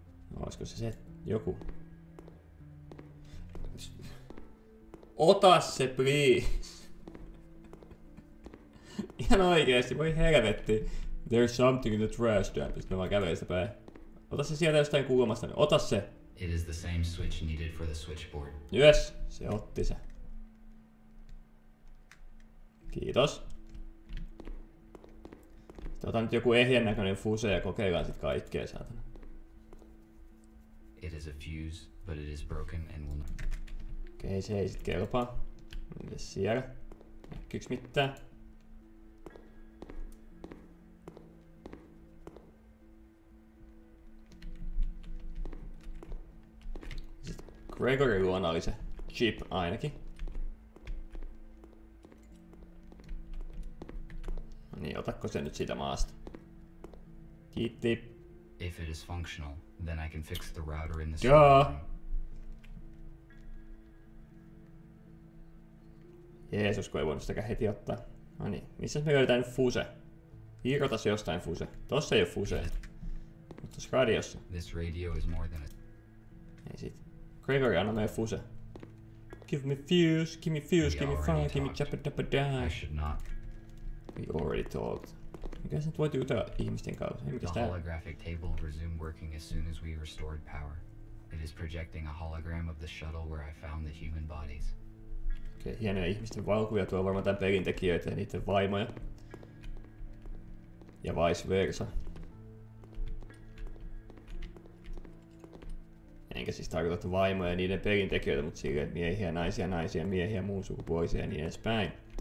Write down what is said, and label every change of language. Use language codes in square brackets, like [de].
[fi] No, olisiko se se joku? Ota se, please! Ihan oikeesti, voi helvetti. [en] There is something in the trash dump. [fi] Sitten mä vaan kävelin sitä päin. Ota se sieltä jostain kulmasta, niin ota se! [en] It is the same switch needed for the switchboard. [fi] Yes, se otti se. Kiitos. Otan nyt joku ehjän näköinen fuse ja kokeillaan sit kaikkea saatana. [en] It is a fuse, but it is broken and will not. [fi] Okei, se ei sit kelpaa. Mites siellä? Näkyyks mitään? Sit Gregory luona oli se chip ainakin. Niin, otakko se nyt siitä maasta? Kiitti. [en] If it is functional, then I can fix the router in the server. Joo! [fi] Jeesus, kun ei voinut sitäkään heti ottaa. No niin, missäs me löydetään nyt fuse? Irrota se jostain fuse. Tossa ei oo fuse. Mut tossa radiossa. [en] This radio is more than a... [fi] Ei sit. Gregory, anna meille fuse. [en] Give me fuse, give me fuse, give me fun, give me chappadabadai. I should not. We already talked. [fi] Mikäs nyt voit jutella ihmisten kanssa? Ei mikäs [en] tää? The holographic table resumed working as soon as we restored power. It is projecting a hologram of the shuttle where I found the human bodies. [fi] Okei, okay, hienoja ihmisten valokuvia tuo varmaan tän pelin tekijöitä ja niiden vaimoja. Ja vice versa. Enkä siis tarkoita, että vaimoja ja niiden pelin tekijöitä, mut silleen miehiä, naisia, naisia, miehiä, muun sukupuolisia ja niin edespäin.